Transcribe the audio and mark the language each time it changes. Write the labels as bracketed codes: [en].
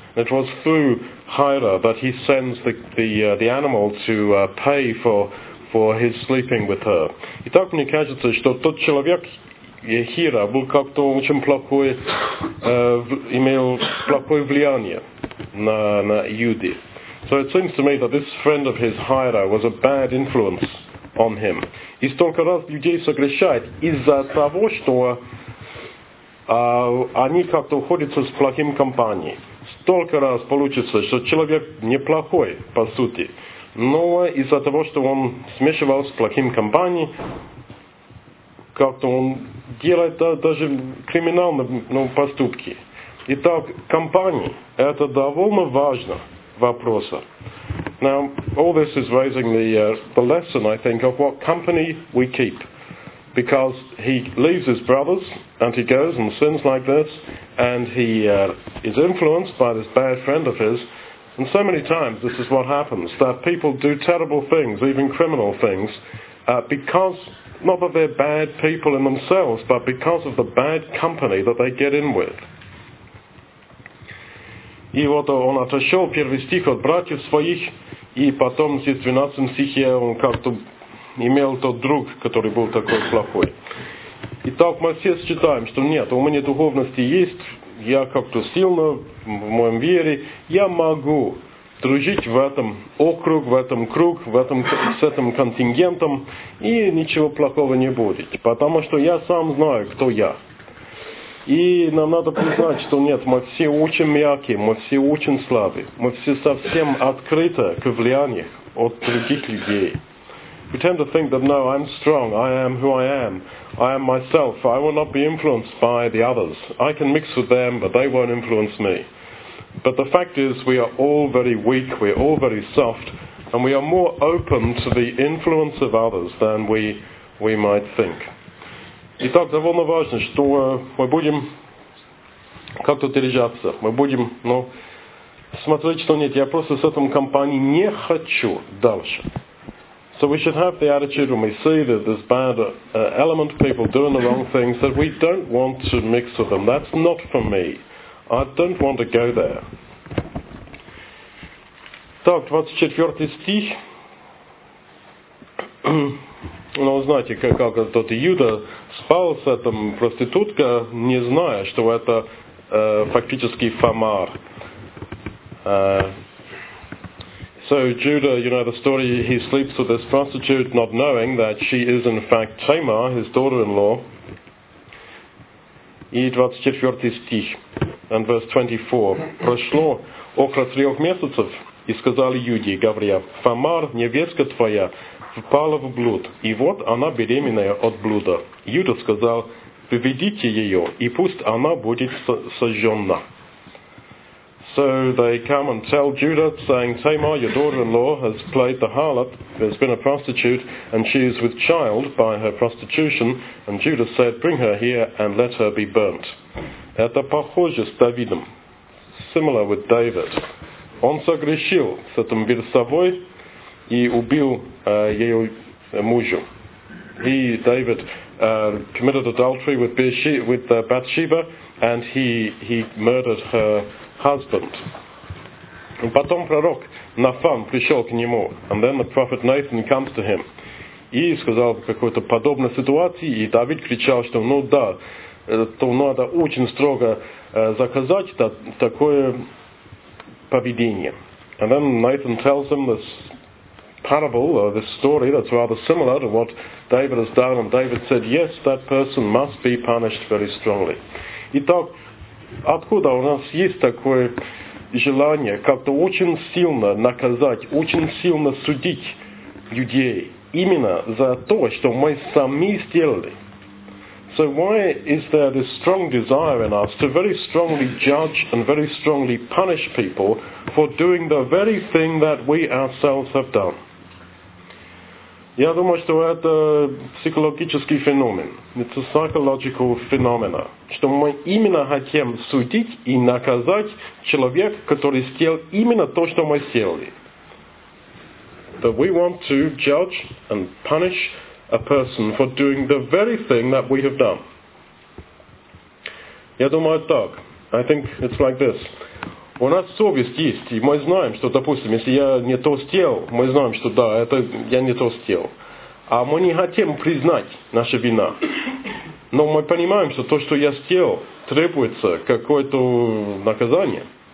[en] It was through Hira that he sends the animal to pay for his sleeping with her. [ru] И так мне кажется, что тот человек Хира был как-то очень плохой, имел плохое влияние на Юди. [en] So it seems to me that this friend of his Hira was a bad influence on him. [ru] И столько раз людей согрешает из-за того, что они как-то уходятся с плохим компанией. Столько раз получится, что человек неплохой, по сути, но из-за того, что он смешивался с плохим компанией, как-то он делает даже криминальные, ну, поступки. Итак, компании – это довольно важно вопрос. [en] Now, all this is raising the lesson, I think, of what company we keep. Because he leaves his brothers and he goes and sins like this, and he is influenced by this bad friend of his. And so many times this is what happens, that people do terrible things, even criminal things, because, not that they're bad people in themselves, but because of the bad company that they get in with. [ru] И вот он отошел, первый стих, от братьев своих, и потом здесь в 12 стихе он как-то имел тот друг, который был такой плохой. Итак, мы все считаем, что нет, у меня духовности есть, я как-то сильно в моем вере, я могу дружить в этом округ, в этом круг, в этом, с этим контингентом, и ничего плохого не будет, потому что я сам знаю, кто я. И нам надо признать, что нет, мы все очень мягкие, мы все очень слабые, мы все совсем открыты к влиянию от других людей. [en] We tend to think that no, I'm strong, I am who I am myself, I will not be influenced by the others. I can mix with them, but they won't influence me. But the fact is, we are all very weak, we are all very soft, and we are more open to the influence of others than we might think. [ru] Итак, довольно важно, что мы будем как-то держаться. Мы будем, ну, смотреть, что нет, я просто с этим компанией не хочу дальше. [en] So we should have the attitude when we see that there's bad element, people doing the wrong things, that we don't want to mix with them. That's not for me. I don't want to go there. [ru] Так, 24 стих. Ну, знаете, как тот Иуда спал с этим проститутка, не зная, что это фактически Фомар. [en] So Judah, you know the story, he sleeps with this prostitute not knowing that she is in fact Tamar, his daughter-in-law. [ru] И 24 стих, [en] and verse 24. [ru] Прошло около трех месяцев, и сказали Юде, говоря, Фомар, невестка твоя, впала в блуд, и вот она беременная от блуда. Юда сказал, введите ее, и пусть она будет сожжена. [en] So they come and tell Judah, saying, Tamar, your daughter-in-law, has played the harlot, has been a prostitute, and she is with child by her prostitution. And Judah said, bring her here and let her be burnt. [ru] Это похоже с Давидом. [en] Similar with David. [ru] Он согрешил с этим Вирсавой и убил ее мужу. [en] He, David, committed adultery with Bathsheba, and he murdered her husband. [ru] Потом пророк Нафан пришел к нему, [en] and then the prophet Nathan comes to him. [ru] И сказал какой-то подобной ситуации, и Давид кричал, что ну да, то надо очень строго заказать такое поведение. [en] And then Nathan tells him this parable, or this story that's rather similar to what David has done, and David said, yes, that person must be punished very strongly. [ru] Итак, откуда у нас есть такое желание как-то очень сильно наказать, очень сильно судить людей именно за то, что мы сами сделали? [en] So why is there this strong desire in us to very strongly judge and very strongly punish people for doing the very thing that we ourselves have done? [ru] Я думаю, что это психологический феномен. [en] It's a psychological phenomena. [ru] Что мы именно хотим судить и наказать человека, который сделал именно то, что мы сделали. [en] That we want to judge and punish a person for doing the very thing that we have done. [ru] Я думаю так. [en] I think it's like this. [ru] У нас совесть есть, и мы знаем, что, допустим, если я не то сделал, мы знаем, что да, это я не то сделал. А мы не хотим признать нашу вину. Но мы понимаем, что то, что я сделал, требуется какое-то наказание.